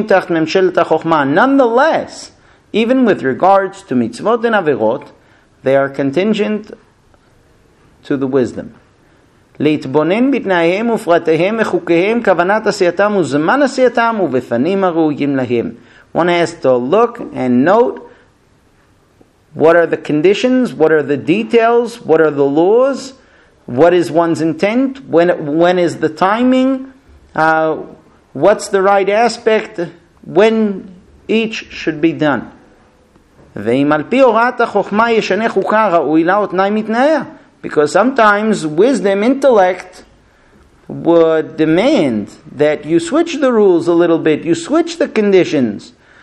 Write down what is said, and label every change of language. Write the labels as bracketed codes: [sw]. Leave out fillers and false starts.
[en] Nonetheless, even with regards to mitzvot and averot, they are contingent to the wisdom. [he] להתבונן בתנאיהם ופרטיהם וחוקיהם כוונת עשייתם וזמן עשייתם ובפנים הראויים להם. [en] One has to look and note what are the conditions, what are the details, what are the laws, what is one's intent, when is the timing, what's the right aspect, when each should be done. [he] ואם על פי הוראת החוכמה ישנה חוקה ראוי לה או תנאי מתנאיה. [en] Because sometimes wisdom, intellect, would demand that you switch the rules a little bit, you switch the conditions.